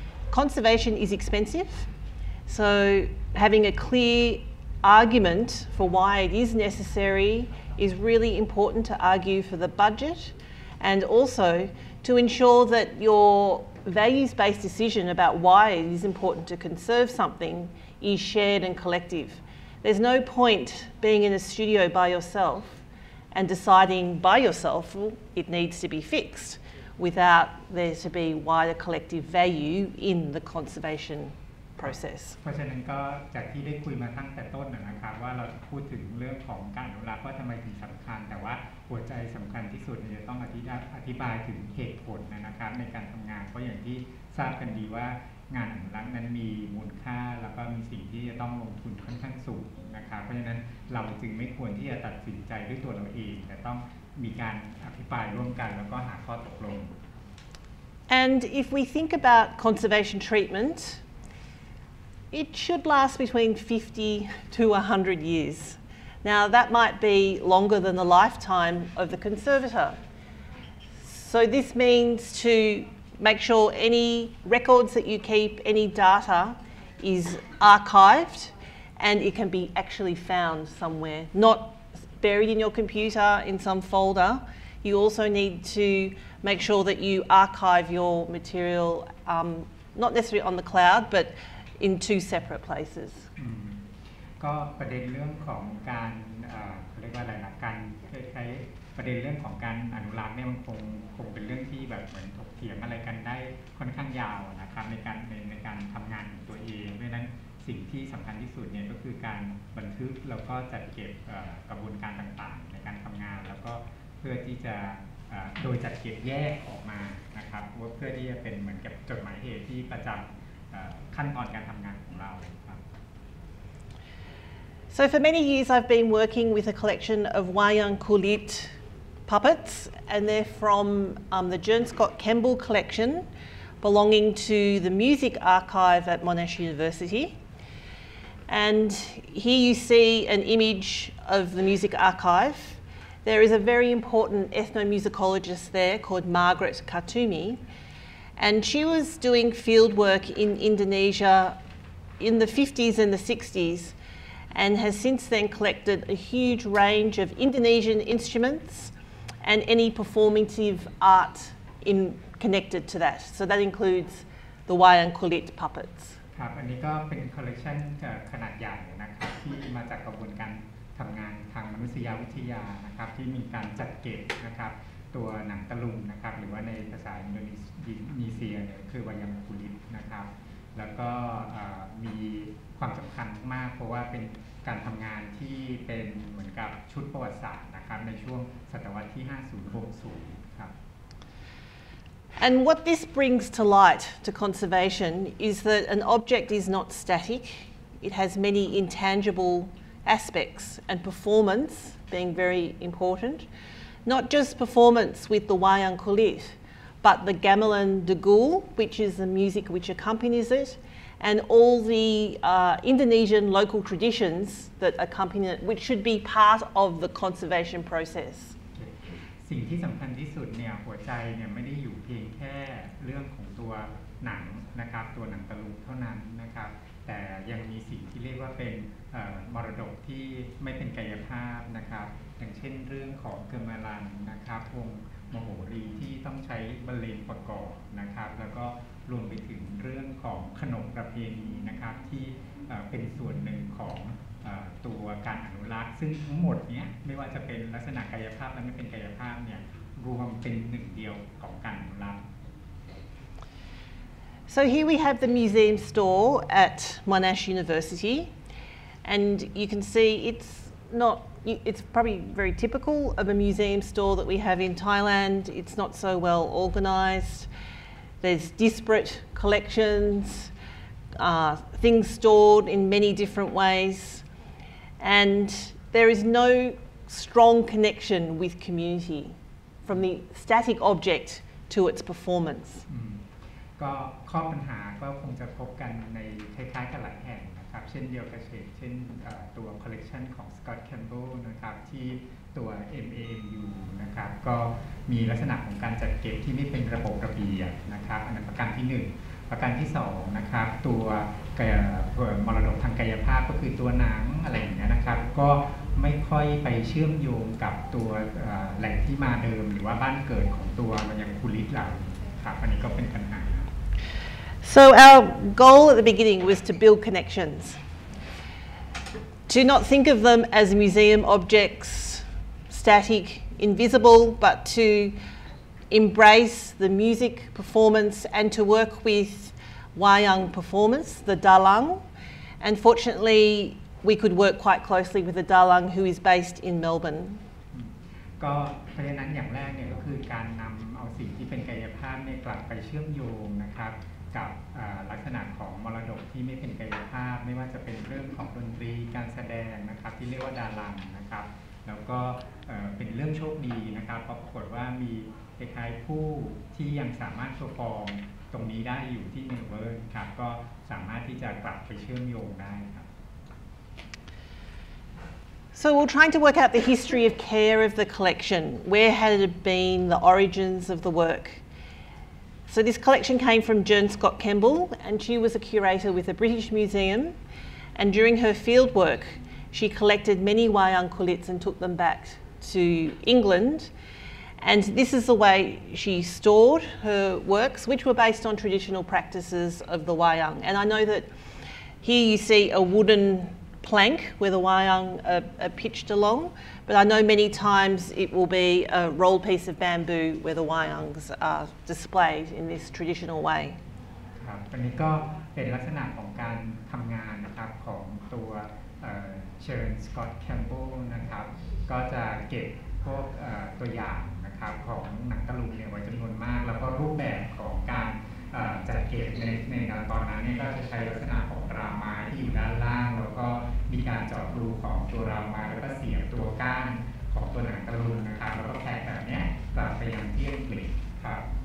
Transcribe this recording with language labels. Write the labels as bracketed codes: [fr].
[en] Conservation is expensive, so having a clear argument for why it is necessary is really important to argue for the budget, and also to ensure that your values-based decision about why it is important to conserve something is shared and collective. There's no point being in a studio by yourself and deciding by yourself, well, it needs to be fixed, without there to be wider collective value in the conservation process. [th] เพราะฉะนั้นก็จากที่ได้คุยมาตั้งแต่ต้นนะครับว่าเราจะพูดถึงเรื่องของการอนุรักษ์ว่าทำไมถึงสำคัญแต่ว่าหัวใจสำคัญที่สุดจะต้องอธิบายถึงเหตุผลนะครับในการทำงานเพราะอย่างที่ทราบกันดีว่างานหลังนั้นมีมูลค่าแล้วก็มีสิ่งที่จะต้องลงทุนค่อนข้างสูงนะครับเพราะฉะนั้นเราจึงไม่ควรที่จะตัดสินใจด้วยตัวเราเองแต่ต้องมีการอภิปรายร่วมกันแล้วก็หาข้อตกลง [en] And if we think about conservation treatment it should last between 50 to 100 years now that might be longer than the lifetime of the conservator so this means to make sure any records that you keep, any data, is archived and it can be actually found somewhere, not buried in your computer in some folder. You also need to make sure that you archive your material, not necessarily on the cloud, but in two separate places. [th] ก็ประเด็นเรื่องของการเรียกว่าอะไรนะการใช้ประเด็นเรื่องของการอนุรักษ์เนี่ยมันคงเป็นเรื่องที่แบบเหมือนเถียงอะไรกันได้ค่อนข้างยาวนะครับในการทำงานตัวเองเพราะนั้นสิ่งที่สำคัญที่สุดเนี่ยก็คือการบันทึกแล้วก็จัดเก็บกระบวนการต่างๆในการทำงานแล้วก็เพื่อที่จะโดยจัดเก็บแยกออกมานะครับเพื่อที่จะเป็นเหมือนกับจดหมายเหตุที่ประจำขั้นตอนการทำงานของเราครับ [en] So for many years I've been working with a collection of wayang kulit. Puppets, and they're from the Jern Scott Kemble collection belonging to the music archive at Monash University. And here you see an image of the music archive. There is a very important ethnomusicologist there called Margaret Kartumi, and she was doing field work in Indonesia in the 50s and the 60s and has since then collected a huge range of Indonesian instrumentsand any performative art in connected to that. So that includes the wayang kulit puppets. [th] ครับอันนี้ก็เป็นคอลเลกชันขนาดใหญ่นะครับที่มาจากกระบวนการทำงานทางมนุษยวิทยานะครับที่มีการจัดเก็บนะครับตัวหนังตะลุงนะครับหรือว่าในภาษาอินโดนีเซียเนี่ยคือวายังคูลิตนะครับแล้วก็มีความสำคัญมากเพราะว่าเป็นการทำงานที่เป็นเหมือนกับชุดประวัติศาสตร์ในช่วงศตวรรษที่50-60ครับ [en] And what this brings to light to conservation is that an object is not static. It has many intangible aspects and performance being very important. not just performance with the wayang kulit, but the gamelan degul, which is the music which accompanies it, and all the Indonesian local traditions that accompany it, which should be part of the conservation process. [th] สิ่งที่สำคัญที่สุดเนี่ยหัวใจเนี่ยไม่ได้อยู่เพียงแค่เรื่องของตัวหนังนะครับตัวหนังตะลุงเท่านั้นนะครับแต่ยังมีสิ่งที่เรียกว่าเป็นมรดกที่ไม่เป็นกายภาพนะครับอย่างเช่นเรื่องของกมลันนะครับวงมโหรีที่ต้องใช้บรรเลงประกอบนะครับแล้วก็รวมไปถึงเรื่องของขนมประเพณีนะครับที่เป็นส่วนหนึ่งของ ตัวการอนุรักษ์ซึ่งทั้งหมดเนี้ยไม่ว่าจะเป็นลักษณะกายภาพและไม่เป็นกายภาพเนี่ยรวมเป็นหนึ่งเดียวของการอนุรักษ์ [en] So here we have the museum store at Monash University, and you can see it's probably very typical of a museum store that we have in Thailand. It's not so well organized. There's disparate collections, things stored in many different ways, and there is no strong connection with community from the static object to its performance. [th] ก็ข้อปัญหาก็คงจะพบกันในคล้ายๆกันหลายแห่งนะครับเช่นเดียวกับเช่นตัวคอลเลกชันของสกอตต์แคมเบลนะครับที่ตัว MAU นะครับก็มีลักษณะของการจัดเก็บที่ไม่เป็นระบบระเบียบนะครับอันนั้นประการที่1ประการที่2นะครับตัว มรดกทางกายภาพก็คือตัวหนังอะไรอย่างเงี้ยนะครับก็ไม่ค่อยไปเชื่อมโยงกับตัวแหล่งที่มาเดิมหรือว่าบ้านเกิดของตัวมันยังคูลิสเราครับอันนี้ก็เป็นปัญหา [en] So our goal at the beginning was to build connections, to not think of them as museum objects, static, invisible, but to embrace the music performance and to work with wayang performance, the dalang. And fortunately, we could work quite closely with the dalang who is based in Melbourne. [th] ก็เพราะฉะนั้นอย่างแรกเนี่ยก็คือการนำเอาสิ่งที่เป็นกายภาพเนี่ยกลับไปเชื่อมโยงนะครับกับลักษณะของมรดกที่ไม่เป็นกายภาพไม่ว่าจะเป็นเรื่องของดนตรีการแสดงนะครับที่เรียกว่าดารังนะครับแล้วก็เป็นเรื่องโชคดีนะครับเพราะปรากฏว่ามีคล้ายๆผู้ที่ยังสามารถโชว์ฟอร์มตรงนี้ได้อยู่ที่เมลเบิร์นครับก็สามารถที่จะกลับไปเชื่อมโยงได้ครับ [en] So we're trying to work out the history of care of the collection. Where had it been the origins of the work? So this collection came from Jern Scott Kemble, and she was a curator with the British Museum. And during her field work, she collected many wayang kulits and took them back to England. And this is the way she stored her works, which were based on traditional practices of the wayang. And I know that here you see a wooden plank where the wayang are pitched along, but I know many times it will be a rolled piece of bamboo where the wayangs are displayed in this traditional way. [th] ครับ อันนี้ก็เป็นลักษณะของการทำงานนะครับของตัวเชิญสกอตต์แคมเบลนะครับก็จะเก็บพวกตัวอย่างนะครับของหนังตะลุงเนี่ยไว้จำนวนมากแล้วก็รูปแบบของการจัดเก็บในตอนนั้นเนี่ยก็จะใช้ลักษณะของรามาที่อยู่ด้านล่างแล้วก็มีการเจาะรูของตัวรามาแล้วก็เสียบตัวก้านของตัวหนังตะลุงนะครับแล้วก็แพ็กแบบนี้กลับไปยังที่อังกฤษครับ